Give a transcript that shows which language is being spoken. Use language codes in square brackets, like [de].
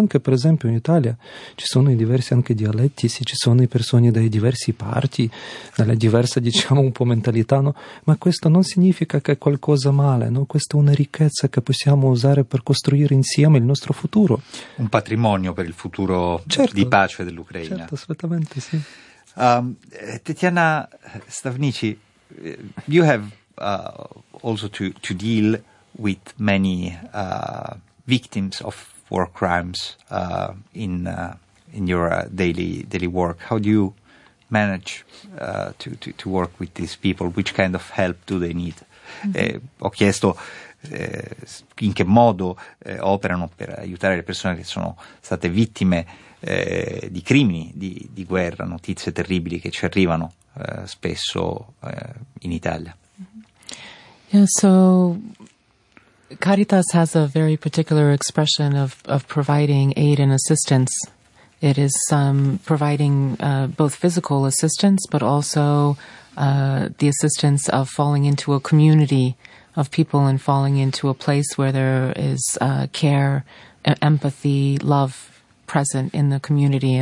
[it] Anche per esempio in Italia ci sono i diversi anche dialetti, sì, ci sono le persone dai diversi parti, dalla diversa diciamo un po' mentalità, no? Ma questo non significa che è qualcosa male, no? Questa è una ricchezza che possiamo usare per costruire insieme il nostro futuro, un patrimonio per il futuro, certo, di pace dell'Ucraina. Certo, assolutamente sì. [en] Tetiana Stavnici, you have also to deal with many victims of war crimes in your daily work. How do you manage to work with these people? Which kind of help do they need? Mm-hmm. [it] Ho chiesto in che modo operano per aiutare le persone che sono state vittime di crimini, di guerra, notizie terribili che ci arrivano spesso in Italia. Mm-hmm. [en] Yeah, so Caritas has a very particular expression of providing aid and assistance. It is providing both physical assistance, but also the assistance of falling into a community of people and falling into a place where there is care, empathy, love present in the community.